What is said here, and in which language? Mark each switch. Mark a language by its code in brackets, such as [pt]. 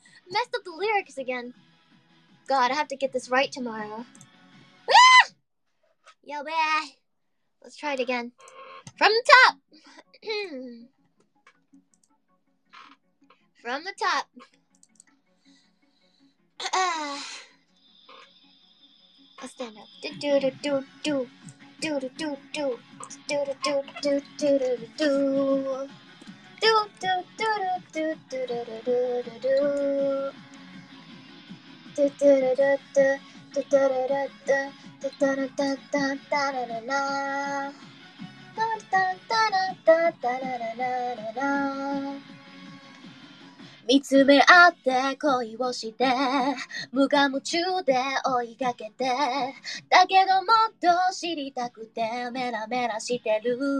[en] Messed up the lyrics again. God, I have to get this right tomorrow. Yo, bae. Let's try it again. From the top. From the top. I stand up. Do do do do do do do do do do do do do do do do do do do do do do do do do do do do do do do do do do do do do do do do do do do do do do do do do do do do do do do do do do do。 [ja] 見つめ合って恋をして無我夢中で追いかけて、だけどもっと知りたくてメラメラしてる。